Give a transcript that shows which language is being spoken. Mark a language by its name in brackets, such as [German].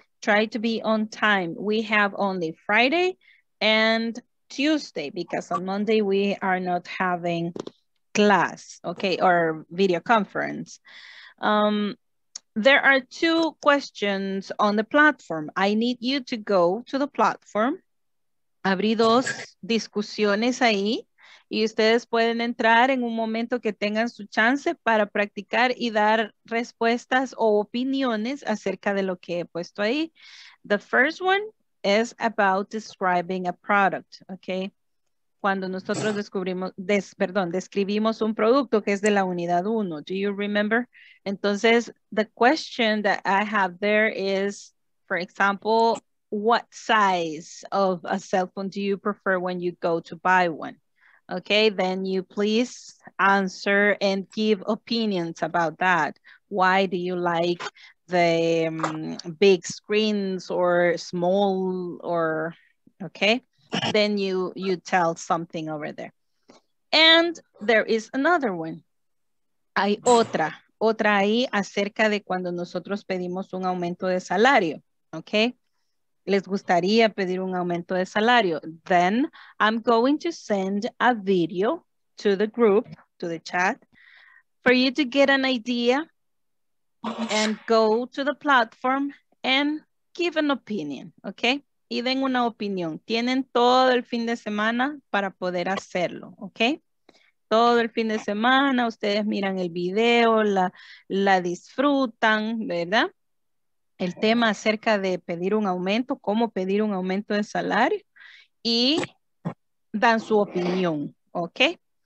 [English] Try to be on time. We have only Friday and Tuesday, because on Monday we are not having class, okay, or video conference. There are two questions on the platform. I need you to go to the platform. [Spanish] Abrí dos discusiones ahí. Y ustedes pueden entrar en un momento que tengan su chance para practicar y dar respuestas o opiniones acerca de lo que he puesto ahí. [English] The first one is about describing a product, okay? [Spanish] Cuando nosotros describimos un producto que es de la unidad 1. [English] Do you remember? Entonces, the question that I have there is, for example, what size of a cell phone do you prefer when you go to buy one? Okay, then you please answer and give opinions about that. Why do you like the big screens or small or, okay? Then you tell something over there. And there is another one. [Spanish] Hay otra ahí acerca de cuando nosotros pedimos un aumento de salario, okay? Les gustaría pedir un aumento de salario. [English] Then I'm going to send a video to the group, to the chat, for you to get an idea and go to the platform and give an opinion, okay? [Spanish] Y den una opinión. Tienen todo el fin de semana para poder hacerlo, okay? Todo el fin de semana, ustedes miran el video, la disfrutan, ¿verdad? El tema acerca de pedir un aumento, cómo pedir un aumento de salario, y dan su opinión, ¿ok?